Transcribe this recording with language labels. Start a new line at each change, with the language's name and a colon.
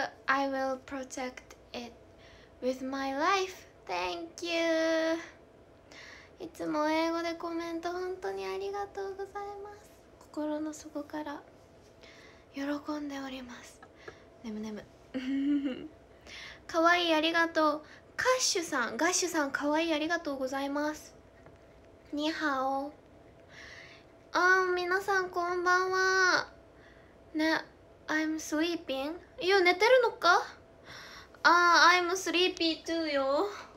English: I will protect it with my life. Thank you.
Japanese: いつも英語でコメント本当にありがとうございます。心の底から喜んでおります。ねむねむかわいいありがとう。カッシュさん、ガッシュさん、かわいいありがとうございます。ニハオ。あー、皆さんこんばんは。ね、
English: I'm sleeping。
Japanese: いや、寝てるのか。あー、
English: I'm sleepy too
Japanese: よ。